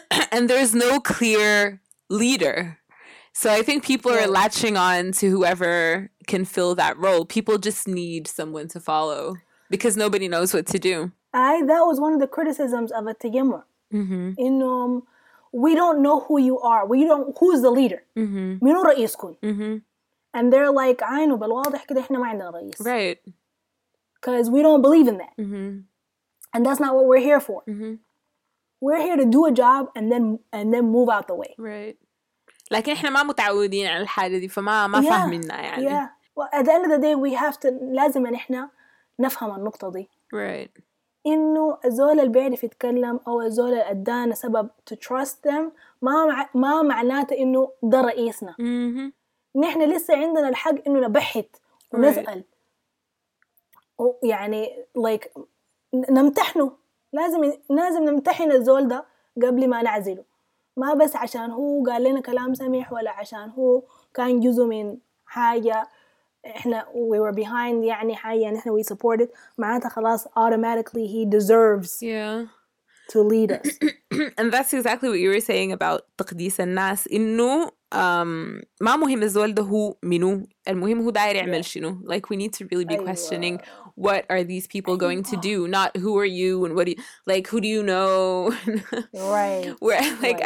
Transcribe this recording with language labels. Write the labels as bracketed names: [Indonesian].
[English] And there's no clear leader. So I think people are latching on to whoever can fill that role. People just need someone to follow because nobody knows what to do. That was one of the criticisms of a التجمع. Mm-hmm. In, we don't know who you are. We don't, who's the leader? Mm-hmm. [Arabic] منو رئيسكم? [English] Mm-hmm. [Arabic] And they're like, عينو بالواضح كده إحنا ما عندنا رئيس. [English] Right. Because we don't believe in that. Mm-hmm. And that's not what we're here for. Mm-hmm. We're here to do a job and then move out the way. Right. [Arabic] لكن إحنا ما متعودين على الحاجة دي فما فاهمنا يعني. [English] Yeah. Well, at the end of the day, we have to, [Arabic] لازم أن إحنا نفهم النقطة دي. [English] Right. [Arabic] إنه الزول اللي بيعرف يتكلم أو الزول اللي أدانا سبب [English] to trust them [Arabic] ما معناته إنه ده رئيسنا. [English] Mm-hmm. [Arabic] نحن لسه عندنا الحق إنه نبحث ونسأل ويعني like نمتحنه لازم نمتحن الزول ده قبل ما نعزله ما بس عشان هو قال لنا كلام سميح ولا عشان هو كان جزء من حاجة إحنا [English] we were behind [Arabic] يعني حاجة نحن [English] we supported [Arabic] معناتها خلاص [English] automatically he deserves to lead us and that's exactly what you were saying about [Arabic] تقديس الناس إنه ما مهم الزول ده هو منو المهم هو داير يعمل شنو [English] like we need to really be questioning what are these people going to do not who are you and what do you like who do you know right.